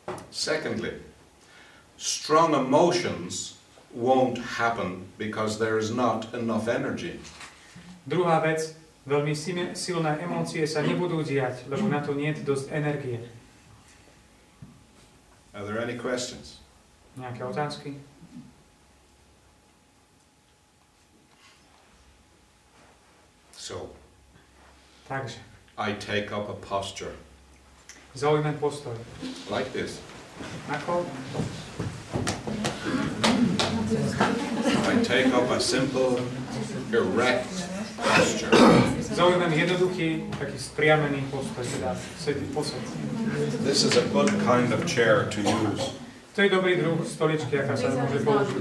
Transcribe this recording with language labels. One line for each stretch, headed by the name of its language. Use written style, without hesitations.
English: Secondly, strong emotions won't happen because there is not enough energy.
Slovak: Druhá vec, veľmi silné emócie sa nebudú diať, lebo na to nie je dosť energie.
English: Are there any questions?
Slovak: Nejaké otázky?
English: So.
Slovak: Takže.
English: I take up a posture.
Slovak: Zaujímam postoj.
English: Like this.
Slovak: Ako?
English: I take up a simple, erect posture.
Slovak: Zaujímam jednoduchý, taký spriamený postoj, teda sedí posed.
English: This is a good kind of chair to use.
Slovak: To je dobrý druh stoličky, aká sa môže použiť.